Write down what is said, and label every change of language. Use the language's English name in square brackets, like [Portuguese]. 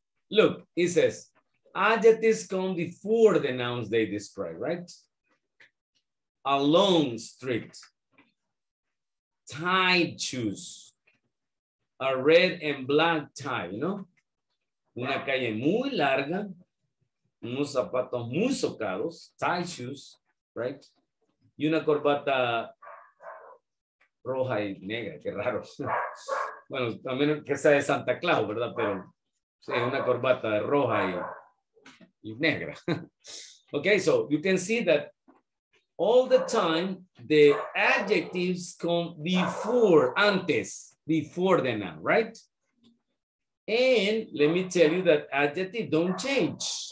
[English] Look, it says, adjectives come before the nouns they describe, right? A long street, tied shoes, a red and black tie, you know? [Spanish] Una calle muy larga, unos zapatos muy socados, [English] tie shoes, right? [Spanish] Y una corbata roja y negra, qué raro. Bueno, también que sea de Santa Claus, ¿verdad? Pero sí, una corbata roja y negra. [English] Okay, so you can see that all the time, the adjectives come before, antes, before the noun, right? And let me tell you that adjectives don't change.